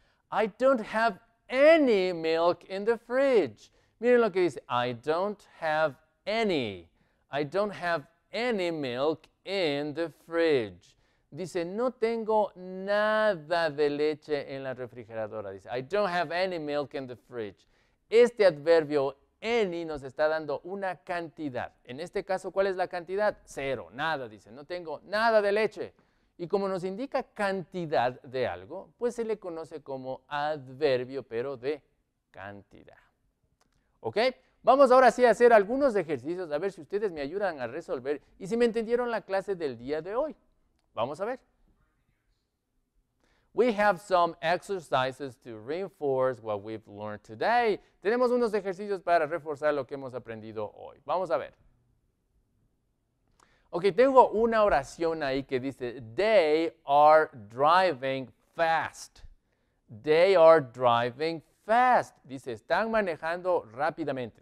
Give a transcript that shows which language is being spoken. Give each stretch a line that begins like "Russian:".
English: I don't have any milk in the fridge. Miren lo que dice. I don't have any. I don't have any milk in the fridge.
Spanish: Dice, no tengo nada de leche en la refrigeradora.
English: Dice, I don't have any milk in the fridge.
Spanish: Este adverbio, any, nos está dando una cantidad. En este caso, ¿cuál es la cantidad? Cero, nada, dice. No tengo nada de leche. Y como nos indica cantidad de algo, pues se le conoce como adverbio, pero de cantidad. ¿Ok? Vamos ahora sí a hacer algunos ejercicios, a ver si ustedes me ayudan a resolver y si me entendieron la clase del día de hoy. Vamos a ver.
English: We have some exercises to reinforce what we've learned today.
Spanish: Tenemos unos ejercicios para reforzar lo que hemos aprendido hoy. Vamos a ver. Ok, tengo una oración ahí que dice, they are driving fast. They are driving fast. Dice, están manejando rápidamente.